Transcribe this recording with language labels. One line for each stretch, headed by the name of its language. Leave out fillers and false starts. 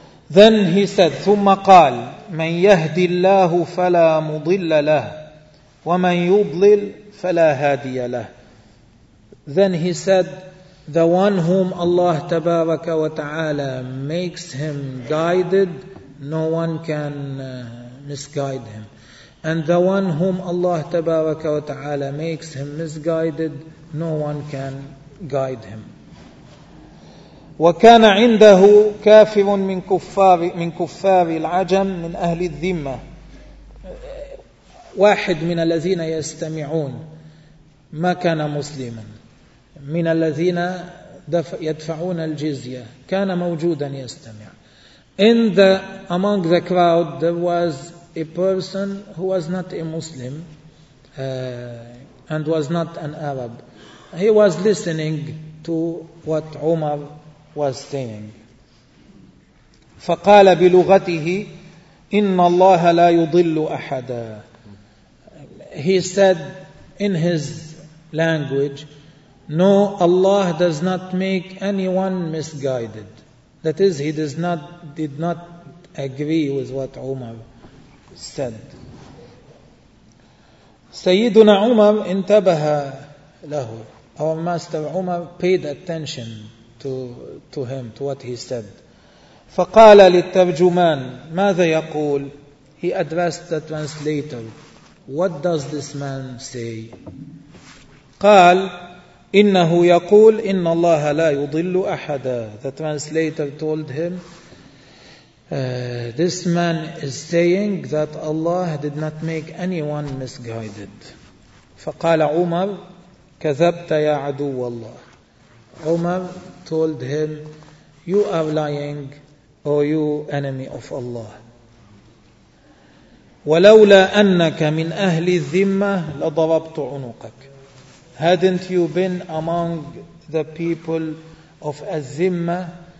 English: Then he said,
Arabic: ثم قال, من يهدي الله فلا مضل له ومن يضلل فلا هادي له.
English: Then he said, the one whom Allah
Arabic: تبارك وتعالى
English: makes him guided, no one can misguide him. And the one whom Allah
Arabic: تبارك وتعالى
English: makes him misguided, no one can guide him.
Arabic: وكان عنده كافر من كفار العجم من أهل الذمة, واحد من الذين يستمعون ما كان مسلما, من الذين يدفعون الجزية, كان موجودا يستمع.
English: In the among the crowd there was a person who was not a Muslim and was not an Arab. He was listening to what Umar was saying.
Arabic: فقال بلغته إن الله لا يضل أحدا.
English: He said in his language, no, Allah does not make anyone misguided. That is, he did not agree with what Umar said.
Arabic: سيدنا عمر انتبه له.
English: Our master Umar paid attention to him, to what he said.
Arabic: فقال للترجمان ماذا يقول.
English: He addressed the translator. What does this man say?
Arabic: قال إنه يقول إن الله لا يضل أحدا.
English: The translator told him, this man is saying that Allah did not make anyone misguided.
Arabic: فقال عمر كذبت يا عدو الله.
English: Umar told him, you are lying, O you enemy of Allah.
Arabic: ولولا أنك من أهل الذمة لضربت عنقك.
English: Hadn't you been among the people of Azimma?